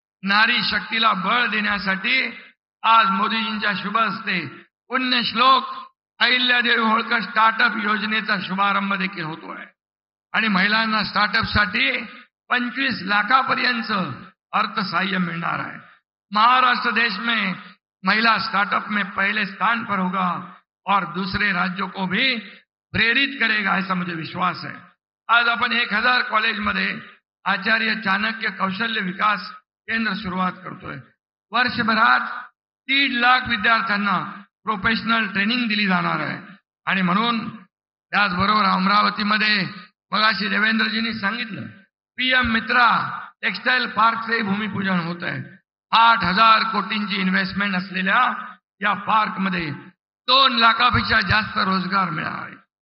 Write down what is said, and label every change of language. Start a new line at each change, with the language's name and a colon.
Marathi: नारी शक्तीला बळ देण्यासाठी आज मोदीजींच्या शुभ हस्ते पुण्य श्लोक अहिल्यादेवी होळकर स्टार्टअप योजनेचा शुभारंभ देखील होतोय आणि महिलांना स्टार्टअपसाठी 25 लाखापर्यंत अर्थसहाय्य मिळणार आहे।
Hindi: महाराष्ट्र देश में महिला स्टार्टअप में पहले स्थान पर होगा और दूसरे राज्यों को भी प्रेरित करेगा, ऐसा मुझे विश्वास है।
Marathi: आज अपन 1000 कॉलेज मध्ये आचार्य चाणक्य कौशल्य विकास केंद्र शुरुआत करतोय। वर्षभरात 1.5 लाख विद्यार्थ्यांना प्रोफेशनल ट्रेनिंग दिली जाणार आहे आणि म्हणून त्याचबरोबर अमरावती मध्ये मगाशी देवेंद्रजींनी सांगितलं पीएम मित्रा टेक्सटाइल पार्क
Hindi: से भूमिपूजन होते है।
Marathi: 8000 कोटींची इन्व्हेस्टमेंट असलेल्या या पार्क मध्ये 2 लाखापेक्षा जास्त रोजगार मिळणार आहे।